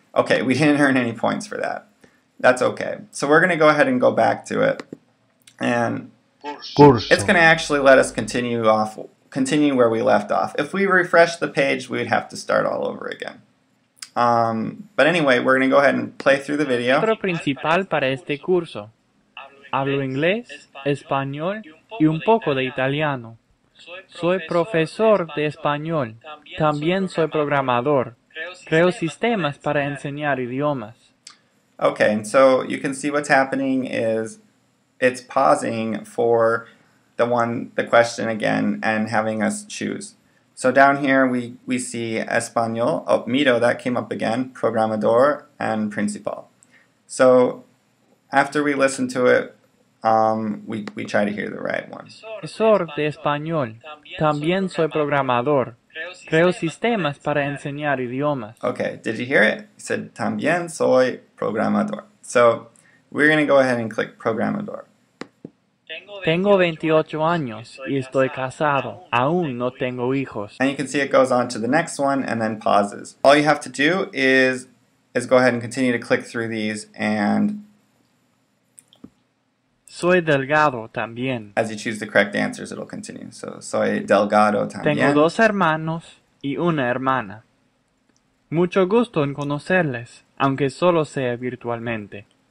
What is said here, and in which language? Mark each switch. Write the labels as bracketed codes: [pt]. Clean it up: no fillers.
[en] Okay, we didn't earn any points for that. That's okay. So we're going to go ahead and go back to it. And it's going to actually let us continue where we left off. If we refresh the page, we would have to start all over again. But anyway, we're going to go ahead and play through the video. [es] Otro principal para este curso. Hablo inglés, español y un poco de italiano. Soy profesor de español. También soy programador. Creo sistemas para enseñar idiomas. [en] Okay, and so you can see what's happening is it's pausing for the question again and having us choose. So down here we see español, mito, that came up again, programador, and principal. So after we listen to it, we try to hear the right one. [es] Profesor de español. También soy programador. Creo sistemas para enseñar idiomas. [en] Okay, did you hear it? He said, [es] también soy programador. [en] So, we're going to go ahead and click programador. [es] Tengo 28 años y estoy casado. Aún no tengo hijos. [en] And you can see it goes on to the next one and then pauses. All you have to do is go ahead and continue to click through these and... [es] Soy delgado también. [en] As you choose the correct answers, it'll continue. [es] So, soy delgado también. Tengo dos hermanos y una hermana. Mucho gusto en conocerles, aunque solo sea virtualmente.